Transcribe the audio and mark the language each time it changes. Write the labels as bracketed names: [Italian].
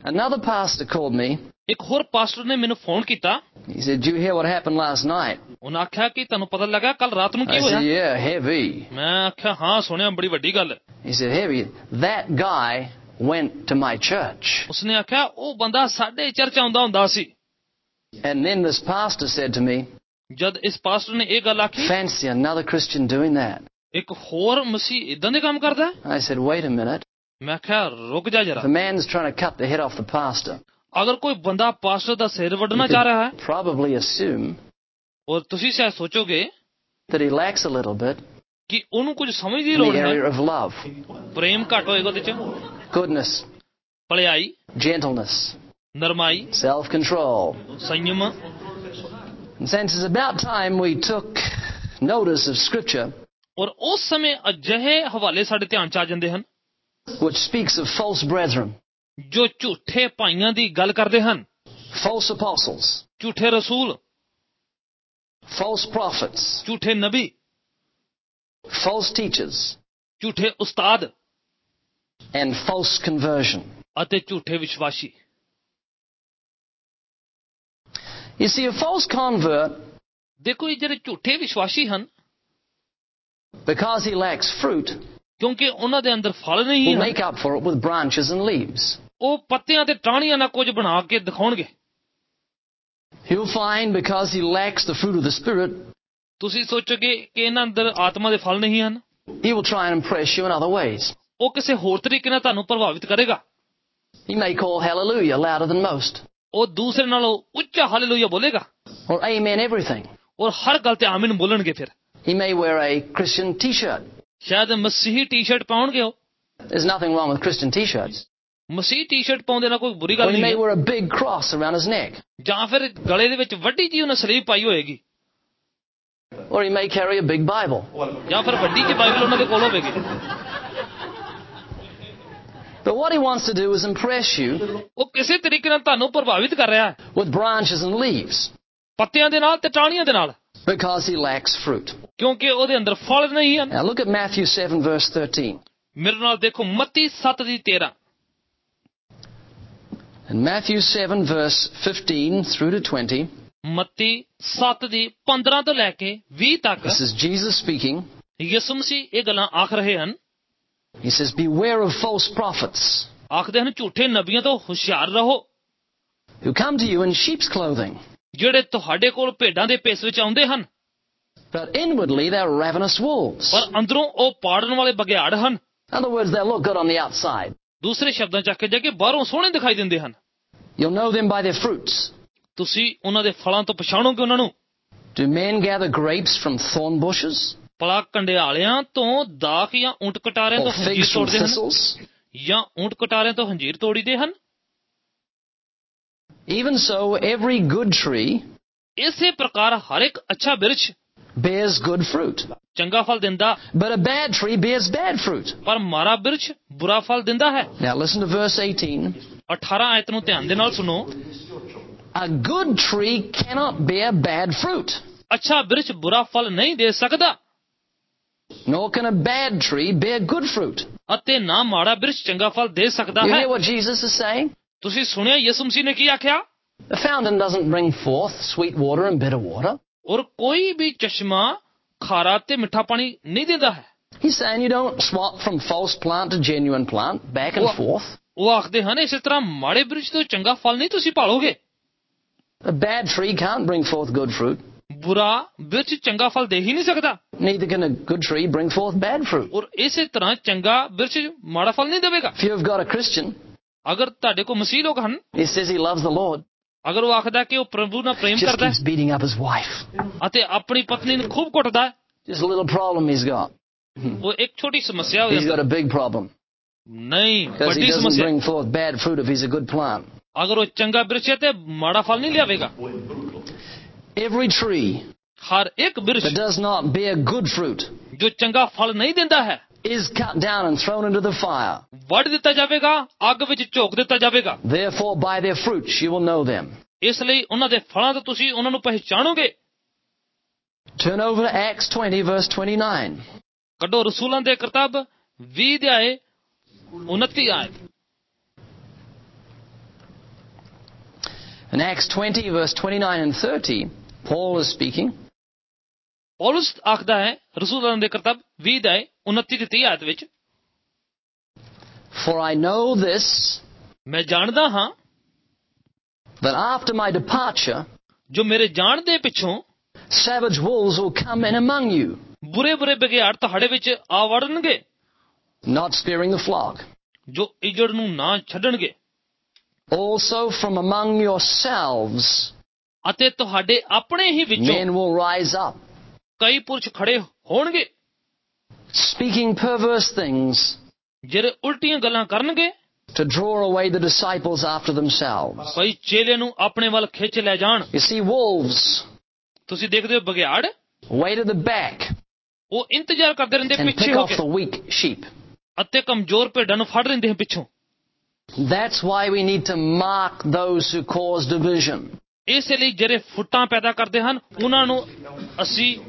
[English] another pastor called me. [Punjabi] ਇੱਕ ਹੋਰ pastor ਨੇ ਮੈਨੂੰ ਫੋਨ ਕੀਤਾ। [English] He said, "Did you hear what happened last night?" [Punjabi] ਉਹਨਾਂ ਆਖਿਆ ਕਿ ਤੁਹਾਨੂੰ ਪਤਾ ਲੱਗਾ ਕੱਲ ਰਾਤ ਨੂੰ ਕੀ ਹੋਇਆ? [English] Yeah, heavy. [Punjabi] ਮੈਂ ਆਖਿਆ ਹਾਂ ਸੁਣਿਆ, ਬੜੀ ਵੱਡੀ ਗੱਲ। [English] He said, "Heavy, that guy went to my church." [Punjabi] ਉਸਨੇ ਆਖਿਆ ਉਹ ਬੰਦਾ ਸਾਡੇ ਚਰਚ ਆਉਂਦਾ ਹੁੰਦਾ ਸੀ। [English] And then this pastor said to me, [Punjabi] ਜਦ ਇਸ ਪਾਸਟਰ ਨੇ ਇਹ ਗੱਲ ਆਖੀ, [English] "Fancy another Christian doing that." [Punjabi] ਇੱਕ ਹੋਰ ਮਸੀਹ ਇਦਾਂ ਦੇ ਕੰਮ ਕਰਦਾ? [English] I said, "Wait a minute." [Punjabi] ਮੈਂ ਆਖਿਆ ਰੁਕ ਜਾ ਜਰਾ। [English] The man is trying to cut the head off the pastor. [Punjabi] ਅਗਰ ਕੋਈ ਬੰਦਾ ਪਾਸਟਰ ਦਾ ਸਿਰ ਵੱਢਣਾ ਚਾਹ ਰਿਹਾ ਹੈ, [English] probably assume, [Punjabi] ਔਰ ਤੁਸੀਂ ਸ਼ਾਇਦ ਸੋਚੋਗੇ, [English] that he lacks a little bit, [Punjabi] ਕਿ ਉਹਨੂੰ ਕੁਝ ਸਮਝ ਦੀ ਲੋੜ ਹੈ, [English] of love, [Punjabi] ਪ੍ਰੇਮ ਘੱਟ ਹੋਏਗਾ ਉਹਦੇ ਚ, [English] goodness, [Punjabi] ਭਲਾਈ, [English] gentleness, [Punjabi] ਨਰਮਾਈ, [English] self control, [Punjabi] Sanyam. [English] In sense, it's about time we took notice of scripture, [Punjabi] ਔਰ ਉਸ ਸਮੇਂ ਅਜਿਹੇ ਹਵਾਲੇ ਸਾਡੇ ਧਿਆਨ ਚ ਆ ਜਾਂਦੇ ਹਨ, [English] which speaks of false brethren, [Punjabi] ਜੋ ਝੂਠੇ ਭਾਈਆਂ ਦੀ ਗੱਲ ਕਰਦੇ ਹਨ, [English] false apostles, [Punjabi] ਝੂਠੇ ਰਸੂਲ, [English] false prophets, [Punjabi] ਝੂਠੇ ਨਬੀ, [English] false teachers, [Punjabi] ਝੂਠੇ ਉਸਤਾਦ, [English] and false conversion, [Punjabi] ਅਤੇ ਝੂਠੇ ਵਿਸ਼ਵਾਸੀ। [English] You see, a false convert, [Punjabi] ਦੇਖੋ ਇਹ ਜਿਹੜੇ ਝੂਠੇ ਵਿਸ਼ਵਾਸੀ ਹਨ, [English] because he lacks fruit, [Punjabi] ਕਿਉਂਕਿ ਉਹਨਾਂ ਦੇ ਅੰਦਰ ਫਲ ਨਹੀਂ ਹੈ, [English] make up for it with branches and leaves, [Punjabi] ਉਹ ਪੱਤਿਆਂ ਤੇ ਟਾਹਣੀਆਂ ਨਾਲ ਕੁਝ ਬਣਾ ਕੇ ਦਿਖਾਉਣਗੇ। [English] You find because he lacks the fruit of the spirit, [Punjabi] ਤੁਸੀਂ ਸੋਚੋਗੇ ਕਿ ਇਹਨਾਂ ਅੰਦਰ ਆਤਮਾ ਦੇ ਫਲ ਨਹੀਂ ਹਨ, [English] he will try and impress you in other ways, [Punjabi] ਉਹ ਕਿਸੇ ਹੋਰ ਤਰੀਕੇ ਨਾਲ ਤੁਹਾਨੂੰ ਪ੍ਰਭਾਵਿਤ ਕਰੇਗਾ। [English] He may call hallelujah louder than most, [Punjabi] ਉਹ ਦੂਸਰੇ ਨਾਲੋਂ ਉੱਚਾ ਹਾਲੇਲੂਯਾ ਬੋਲੇਗਾ, [English] or amen everything, [Punjabi] ਔਰ ਹਰ ਗੱਲ ਤੇ ਆਮੀਨ ਬੋਲਣਗੇ। ਫਿਰ [English] he may wear a Christian t-shirt, [Punjabi] ਸ਼ਾਇਦ ਮਸੀਹੀ ਟੀ-ਸ਼ਰਟ ਪਾਉਣਗੇ ਉਹ। [English] There's nothing wrong with Christian t-shirts, [Punjabi] ਮਸੀਹੀ ਟੀ-ਸ਼ਰਟ ਪਾਉਂਦੇ ਨਾਲ ਕੋਈ ਬੁਰੀ ਗੱਲ ਨਹੀਂ। [English] He may wear a big cross around his neck, [Punjabi] ਜਾਂ ਫਿਰ ਗਲੇ ਦੇ ਵਿੱਚ ਵੱਡੀ ਜੀ ਉਹਨਾਂ ਸਲੀਬ ਪਾਈ ਹੋਏਗੀ, [English] or he may carry a big bible, [Punjabi] ਜਾਂ ਫਿਰ ਵੱਡੀ ਜੀ ਬਾਈਬਲ ਉਹਨਾਂ ਦੇ ਕੋਲ ਹੋਵੇਗੀ। [English] But what he wants to do is impress you, [Punjabi] ਉਹ ਕਿਸੇ ਤਰੀਕੇ ਨਾਲ ਤੁਹਾਨੂੰ ਪ੍ਰਭਾਵਿਤ ਕਰ ਰਿਹਾ ਹੈ, [English] with branches and leaves, [Punjabi] ਪੱਤਿਆਂ ਦੇ ਨਾਲ ਤੇ ਟਾਹਣੀਆਂ ਦੇ ਨਾਲ, [English] because he lacks fruit, [Punjabi] ਕਿਉਂਕਿ ਉਹਦੇ ਅੰਦਰ ਫਲ ਨਹੀਂ ਹਨ। [English] Now look at Matthew 7 verse 13, [Punjabi] ਮੇਰੇ ਨਾਲ ਦੇਖੋ ਮੱਤੀ 7 ਦੀ 13, [English] In Matthew 7 verse 15 through to 20, [Punjabi] ਮੱਤੀ 7 ਦੀ 15 ਤੋਂ ਲੈ ਕੇ 20 ਤੱਕ, [English] this is Jesus speaking. [Punjabi] ਯਿਸੂ ਮਸੀਹ ਇਹ ਗੱਲਾਂ ਆਖ ਰਹੇ ਹਨ. [English] He says, beware of false prophets. [Punjabi] ਆਖਦੇ ਹਨ ਝੂਠੇ ਨਬੀਆਂ ਤੋਂ ਹੁਸ਼ਿਆਰ ਰਹੋ. [English] Who come to you in sheep's clothing. [Punjabi] ਜਿਹੜੇ ਤੁਹਾਡੇ ਕੋਲ ਭੇਡਾਂ ਦੇ ਭੇਸ ਵਿੱਚ ਆਉਂਦੇ ਹਨ. [English] But inwardly they are ravenous wolves. [Punjabi] ਪਰ ਅੰਦਰੋਂ ਉਹ ਪਾੜਨ ਵਾਲੇ ਬਗਿਆੜ ਹਨ. [English] In other words, they look good on the outside. [Punjabi] ਦੂਸਰੇ ਸ਼ਬਦਾਂ ਚ ਆਖੇ ਜਾ ਕੇ ਬਾਹਰੋਂ ਸੋਹਣੇ ਦਿਖਾਈ ਦਿੰਦੇ ਹਨ. [English] You'll know them by their fruits. [Punjabi] ਤੁਸੀਂ ਉਹਨਾਂ ਦੇ ਫਲਾਂ ਤੋਂ ਪਛਾਣੋਗੇ ਉਹਨਾਂ ਨੂੰ. [English] Do men gather grapes from thorn bushes? [Punjabi] ਪਲਾ ਕੰਡਿਆਲਿਆਂ ਤੋਂ ਦਾਖ ਜਾਂ ਊਂਟ ਕਟਾਰਿਆਂ ਤੋਂ ਹੰਜੀਰ ਤੋੜਦੇ ਹਨ? ਜਾਂ ਊਂਟ ਕਟਾਰਿਆਂ ਤੋਂ ਹੰਜੀਰ ਤੋੜੀਦੇ ਹਨ? [English] Even so, every good tree, [Punjabi] ਇਸੇ ਪ੍ਰਕਾਰ ਹਰ ਇੱਕ ਅੱਛਾ ਬਿਰਛ, [English] bears good fruit, [Punjabi] ਚੰਗਾ ਫਲ ਦਿੰਦਾ. [English] But a bad tree bears bad fruit, [Punjabi] ਪਰ ਮਾੜਾ ਬਿਰਛ ਬੁਰਾ ਫਲ ਦਿੰਦਾ ਹੈ. [English] Now listen to verse 18. [Punjabi] 18 ਆਇਤ ਨੂੰ ਧਿਆਨ ਦੇ ਨਾਲ ਸੁਣੋ. [English] A good tree cannot bear bad fruit. [Punjabi] ਅੱਛਾ ਬਿਰਛ ਬੁਰਾ ਫਲ ਨਹੀਂ ਦੇ ਸਕਦਾ. [English] Nor can a bad tree bear good fruit. [Punjabi] ਅਤੇ ਨਾ ਮਾੜਾ ਬਿਰਛ ਚੰਗਾ ਫਲ ਦੇ ਸਕਦਾ ਹੈ. [English] You hear what Jesus is saying? [Punjabi] ਤੁਸੀਂ ਸੁਣਿਆ ਯਿਸੂ ਮਸੀਹ ਨੇ ਕੀ ਆਖਿਆ? [English] A fountain doesn't bring forth sweet water and bitter water. [Punjabi] ਔਰ ਕੋਈ ਵੀ ਚਸ਼ਮਾ ਖਾਰਾ ਤੇ ਮਿੱਠਾ ਪਾਣੀ ਨਹੀਂ ਦਿੰਦਾ ਹੈ. [English] He said you don't swap from false plant to genuine plant back and forth. [Punjabi] ਉਹ ਆਖਦੇ ਹਨ ਇਸੇ ਤਰ੍ਹਾਂ ਮਾੜੇ ਬਿਰਛ ਤੋਂ ਚੰਗਾ ਫਲ ਨਹੀਂ ਤੁਸੀਂ ਪਾਲੋਗੇ. [English] A bad tree can't bring forth good fruit. [Punjabi] ਬੁਰਾ ਬਿਰਛ ਚੰਗਾ ਫਲ ਦੇ ਹੀ ਨਹੀਂ ਸਕਦਾ. [English] Neither can a good tree bring forth bad fruit. [Punjabi] ਔਰ ਇਸੇ ਤਰ੍ਹਾਂ ਚੰਗਾ ਬਿਰਛ ਮਾੜਾ ਫਲ ਨਹੀਂ ਦੇਵੇਗਾ. [English] If you've got a Christian, [Punjabi] ਅਗਰ ਤੁਹਾਡੇ ਕੋਲ ਮਸੀਹ ਲੋਕ ਹਨ, [English] he says he loves the Lord, [Punjabi] ਅਗਰ ਉਹ ਆਖਦਾ ਕਿ ਉਹ ਪ੍ਰਭੂ ਨਾਲ ਪ੍ਰੇਮ ਕਰਦਾ ਹੈ, [English] just beating up his wife, [Punjabi] ਅਤੇ ਆਪਣੀ ਪਤਨੀ ਨੂੰ ਖੂਬ ਕੁੱਟਦਾ ਹੈ, [English] just a little problem he's got, [Punjabi] ਉਹ ਇੱਕ ਛੋਟੀ ਸਮੱਸਿਆ ਹੋ ਜਾਂਦੀ, [English] he's got a big problem, [Punjabi] ਨਹੀਂ ਵੱਡੀ ਸਮੱਸਿਆ, [English] because he doesn't bring forth bad fruit if he's a good plant, [Punjabi] ਅਗਰ ਉਹ ਚੰਗਾ ਬਿਰਛ ਹੈ ਤੇ ਮਾੜਾ ਫਲ ਨਹੀਂ ਲਿਆਵੇਗਾ. [English] Every tree, [Punjabi] ਹਰ ਇੱਕ ਬਿਰਛ, [English] that does not bear good fruit, [Punjabi] ਜੋ ਚੰਗਾ ਫਲ ਨਹੀਂ ਦਿੰਦਾ ਹੈ, [English] is cut down and thrown into the fire. [Punjabi] ਵੱਢ ਦਿੱਤਾ ਜਾਵੇਗਾ, ਅੱਗ ਵਿੱਚ ਝੋਕ ਦਿੱਤਾ ਜਾਵੇਗਾ. [English] Therefore by their fruits you will know them. [Punjabi] ਇਸ ਲਈ ਉਹਨਾਂ ਦੇ ਫਲਾਂ ਤੋਂ ਤੁਸੀਂ ਉਹਨਾਂ ਨੂੰ ਪਹਿਚਾਣੋਗੇ. [English] Turn over to Acts 20 verse 29. [Punjabi] ਕੱਢੋ ਰਸੂਲਾਂ ਦੇ ਕਿਤਾਬ 20 ਦੇ ਆਏ 29 ਆਏ. [English] In Acts 20 verse 29 and 30, Paul is speaking. [Punjabi] Paulus ਆਖਦਾ ਹੈ ਰਸੂਲਾਂ ਦੇ ਕਿਤਾਬ 20 ਦੇ ਆਏ 29 ਤੇ 30 ਆਇਤ ਵਿੱਚ, [English] For I know this, [Punjabi] ਮੈਂ ਜਾਣਦਾ ਹਾਂ, [English] that after my departure, [Punjabi] ਜੋ ਮੇਰੇ ਜਾਣ ਦੇ ਪਿੱਛੋਂ, [English] savage wolves will come in among you, [Punjabi] ਬੁਰੇ ਬੁਰੇ ਬਗਿਆੜ ਤੁਹਾਡੇ ਵਿੱਚ ਆ ਵੜਨਗੇ, [English] not sparing the flock, [Punjabi] ਜੋ ਇੱਜੜ ਨੂੰ ਨਾ ਛੱਡਣਗੇ, [English] also from among yourselves, [Punjabi] ਅਤੇ ਤੁਹਾਡੇ ਆਪਣੇ ਹੀ ਵਿੱਚੋਂ, [English] men will rise up, [Punjabi] ਕਈ ਪੁਰਸ਼ ਖੜੇ ਹੋਣਗੇ, [English] speaking perverse things, [Punjabi] ਜਿਹੜੇ ਉਲਟੀਆਂ ਗੱਲਾਂ ਕਰਨਗੇ, [English] to draw away the disciples after themselves, [Punjabi] ਕਈ ਚੇਲੇ ਨੂੰ ਆਪਣੇ ਵੱਲ ਖਿੱਚ ਲੈ ਜਾਣ. [English] You see wolves, [Punjabi] ਤੁਸੀਂ ਦੇਖਦੇ ਹੋ ਬਗਿਆੜ, [English] wait at the back, [Punjabi] ਉਹ ਇੰਤਜ਼ਾਰ ਕਰਦੇ ਰਹਿੰਦੇ ਪਿੱਛੇ ਹੋ ਕੇ, [English] the weak sheep, [Punjabi] ਅਤੇ ਕਮਜ਼ੋਰ ਭੇਡਾਂ ਨੂੰ ਫੜ ਲੈਂਦੇ ਹਨ ਪਿੱਛੋਂ. [English] That's why we need to mark those who cause division, [Punjabi] ਇਸੇ ਲਈ ਜਿਹੜੇ ਫੁੱਟਾਂ ਪੈਦਾ ਕਰਦੇ ਹਨ ਉਹਨਾਂ ਨੂੰ ਅਸੀਂ,